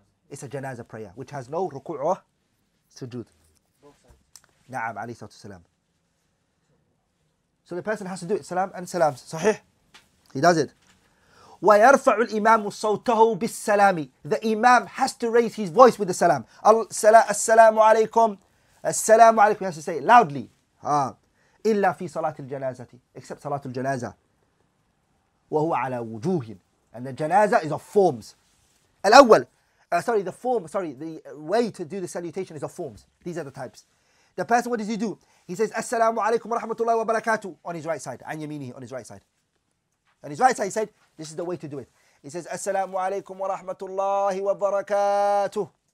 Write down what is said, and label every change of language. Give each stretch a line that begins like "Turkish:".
English: It's a janazah prayer, which has no ruku'u or sujood.
Arabic: Na'am, alayhi salatu salam.
English: So the person has to do it. Salam and salam. Sahih? He does it.
Arabic: وَيَرْفَعُ الْإِمَامُ صَوْتَهُ بِالسَّلَامِ
English: The imam has to raise his voice with the salam.
Arabic: السلام عليكم. السلام عليكم.
English: He has to say it loudly.
Arabic: إِلَّا فِي صَلَاةِ الْجَنَازَةِ
English: Except
Arabic: صَلَاةُ الْجَنَازَةِ وَهُوَ عَلَى وُجُوهٍ
English: And the janazah is of forms.
Arabic: الأول.
English: The way to do the salutation is of forms. These are the types. The person, what does he do? He says,
Arabic: السلام عليكم ورحمة الله وبركاته
English: on his right side.
Arabic: عن يمينه
English: on his right side. And his right side, he said, this is the way to do it. He says,
Arabic: As-salamu alaykum wa rahmatullahi wa barakatuh.